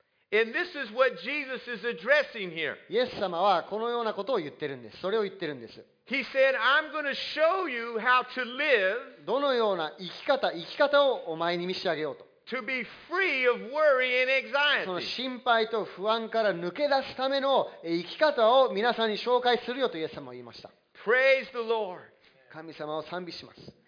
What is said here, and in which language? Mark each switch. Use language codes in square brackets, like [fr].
[en] And this is what Jesus is addressing here. [ja] イエス様はこのようなことを言ってるんです。それを言ってるんです。 [en] He said, I'm going to show you how to live. [ja] どのような生き方をお前に見せてあげようと。 [en] To be free of worry and anxiety. [ja] その心配と不安から抜け出すための生き方を皆さんに紹介するよとイエス様は言いました。 [en] Praise the Lord. [ja] 神様を賛美します。